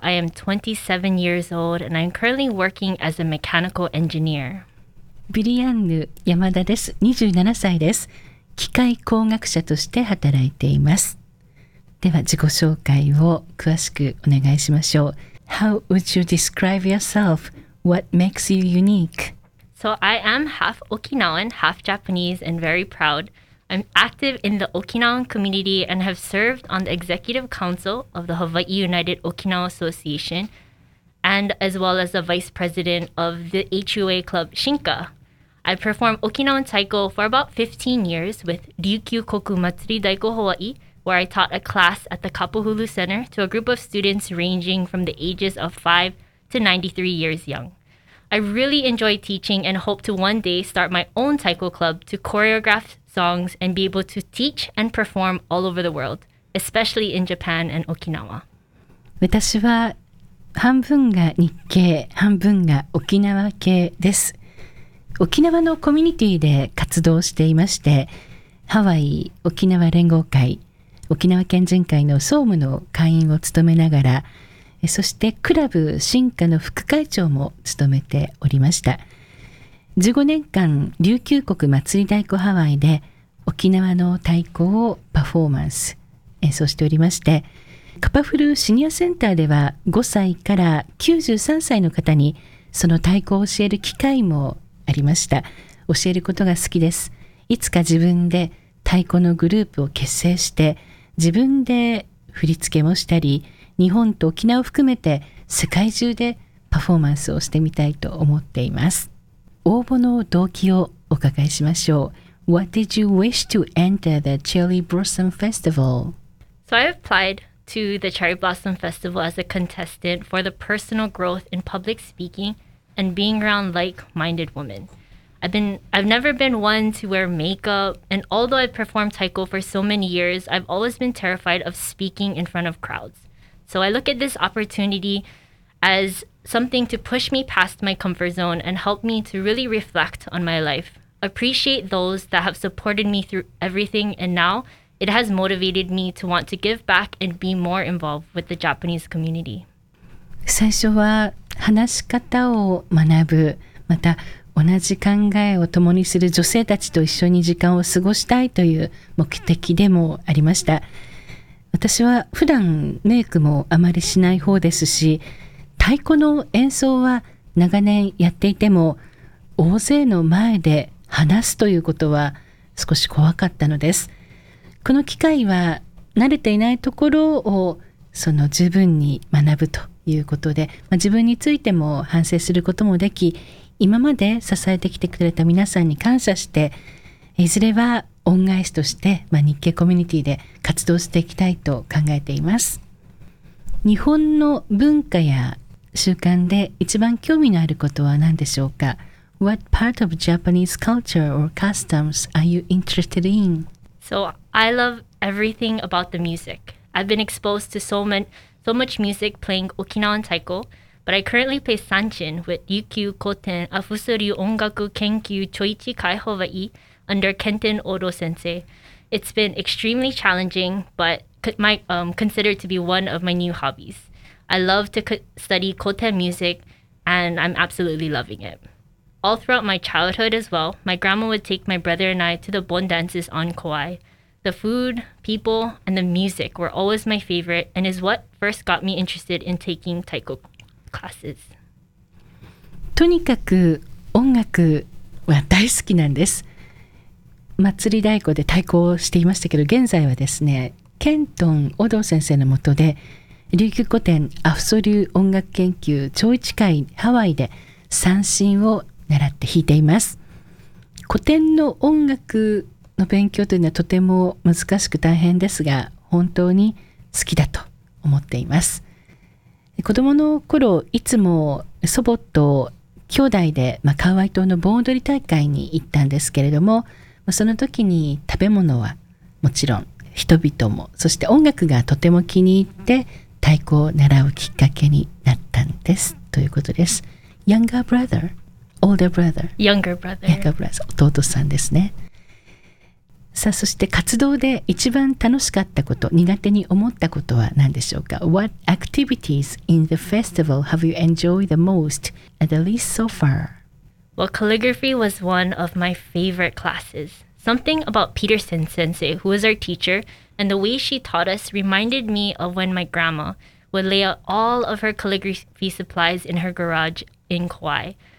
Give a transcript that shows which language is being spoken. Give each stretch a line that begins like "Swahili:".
English: I am 27 years old and I'm currently working as a mechanical engineer.
Japanese: ブリアンヌ・ヤマダです。27歳です。機械工学者として働いています。では自己紹介を詳しくお願いしましょう。
English: How would you describe yourself? What makes you unique? So I am half Okinawan, half Japanese and very proud. I'm active in the Okinawan community and have served on the Executive Council of the Hawaii United Okinawa Association and as well as the Vice President of the HUA Club Shinka. I perform Okinawan Taiko for about 15 years with Ryukyu Koku Matsuri Daiko Hawaii, where I taught a class at the Kapuhulu Center to a group of students ranging from the ages of 5 to 93 years young. I really enjoy teaching and hope to one day start my own taiko club to choreograph songs and be able to teach and perform all over the world, especially in Japan and Okinawa.
Japanese: 私は半分が日系、半分が沖縄系です。沖縄のコミュニティで活動していまして、ハワイ沖縄連合会、沖縄県人会の総務の会員を務めながら、そしてクラブ進化の副会長も務めておりました。 15年間琉球国祭り太鼓ハワイで沖縄の太鼓をパフォーマンス演奏しておりまして、カパフルシニアセンターでは5歳から93歳の方にその太鼓を教える機会もありました。教えることが好きです。いつか自分で太鼓のグループを結成して自分で振り付けもしたり、日本と沖縄を含めて世界中でパフォーマンスをしてみたいと思っています。応募の動機をお伺いしましょう。
English: What did you wish to enter the Cherry Blossom Festival? So I applied to the Cherry Blossom Festival as a contestant for the personal growth in public speaking and being around like-minded women. I've never been one to wear makeup, and although I've performed taiko for so many years, I've always been terrified of speaking in front of crowds. So I look at this opportunity as something to push me past my comfort zone and help me to really reflect on my life, appreciate those that have supported me through everything, and now it has motivated me to want to give back and be more involved with the Japanese community.
Japanese: 最初は話し方を学ぶ、また同じ考えを共にする女性たちと一緒に時間を過ごしたいという目的でもありました。私は普段メイクもあまりしない方ですし、太鼓の演奏は長年やっていても大勢の前で話すということは少し怖かったのです。この機会は慣れていないところをその十分に学ぶということで、まあ、自分についても反省することもでき、今まで支えてきてくれた皆さんに感謝して、いずれは恩返しとして、まあ、日系コミュニティで活動していきたいと考えています。日本の文化や習慣で一番興味のあることは何でしょうか？
English: What part of Japanese culture or customs are you interested in? So I love everything about the music. I've been exposed to so much music playing Okinawan taiko, but I currently play Sanchin with Ryukyu Koten Afusoryu Ongaku Kenkyu Choichi Kai Hawaii. Under Kenten Odo Sensei. It's been extremely challenging, but considered to be one of my new hobbies. I love to study Koten music, and I'm absolutely loving it. All throughout my childhood as well, my grandma would take my brother and I to the Bon dances on Kauai. The food, people, and the music were always my favorite, and is what first got me interested in taking taiko classes.
Japanese: とにかく音楽は大好きなんです。祭り太鼓で太鼓をしていましたけど、現在はですね、ケントン・オドー先生のもとで琉球古典アフソ流音楽研究長一会ハワイで三線を習って弾いています。古典の音楽の勉強というのはとても難しく大変ですが、本当に好きだと思っています。子供の頃いつも祖母と兄弟で、カウアイ島の盆踊り大会に行ったんですけれども、その時に食べ物はもちろん、人々もそして音楽がとても気に入って太鼓を習うきっかけになったんですということです。
English: Younger brother? Older brother? Younger brother. Younger brother.
Japanese: 弟さんですね。さあ、そして活動で一番楽しかったこと、苦手に思ったことは何でしょうか。
English: What activities in the festival have you enjoyed the most, at least so far? Well, calligraphy was one of my favorite classes. Something about Peterson sensei, who was our teacher, and the way she taught us reminded me of when my grandma would lay out all of her calligraphy supplies in her garage in Kauai.